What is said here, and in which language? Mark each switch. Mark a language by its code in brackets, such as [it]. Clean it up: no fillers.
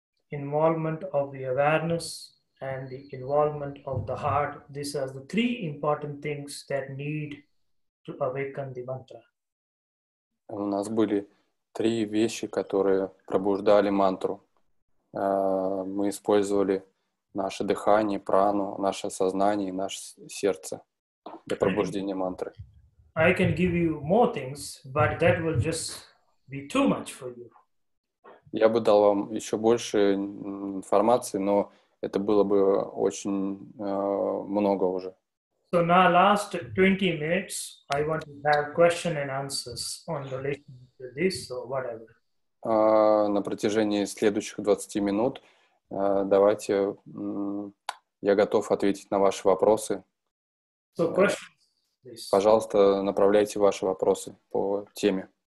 [en] Involvement of the awareness and the involvement of the heart. These are the three important things that need to awaken the mantra. [ru] У нас были три вещи, которые пробуждали мантру. Мы использовали наше дыхание, прану, наше сознание и наше сердце для пробуждения мантры. [en] I can give you more things, but that will just be too much for you. [ru] Я бы дал вам еще больше информации, но это было бы очень много уже. [en] So now last 20 minutes, I want to have question and answers on relation to this or whatever. [ru] На протяжении следующих 20 минут давайте я готов ответить на ваши вопросы. [en] So questions, please. [ru] Пожалуйста, направляйте ваши вопросы по теме.